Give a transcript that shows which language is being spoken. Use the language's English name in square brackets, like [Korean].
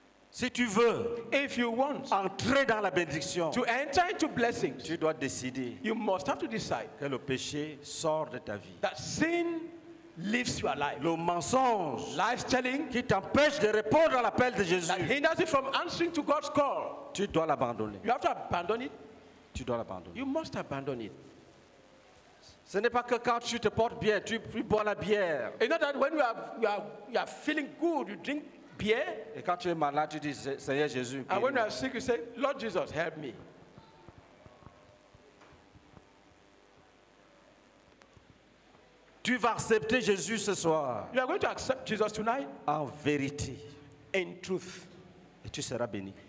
[French] Si tu veux, [English] if you want, [French] entrer dans la bénédiction, [English] to enter into blessings, [French] tu dois décider. [English] You must have to decide [French] que le péché sort de ta vie. [English] That sin leaves your life. [French] Le mensonge, [English] lies telling, [French] qui t'empêche de répondre à l'appel de Jésus, [English] that hinders you from answering to God's call. [French] Tu dois l'abandonner. [English] You have to abandon it. [French] Tu dois l'abandonner. [English] You must abandon it. [French] Ce n'est pas que quand tu te portes bien, tu bois la bière. [English] It's not that when you are feeling good, you drink beer. [French] Et quand tu es malade, tu dis Seigneur Jésus. [English] And when you are sick, you say, Lord Jesus, help me. [French] Tu vas accepter Jésus ce soir. [English] You are going to accept Jesus tonight. [French] En vérité. [English] In truth. [French] Et tu seras béni.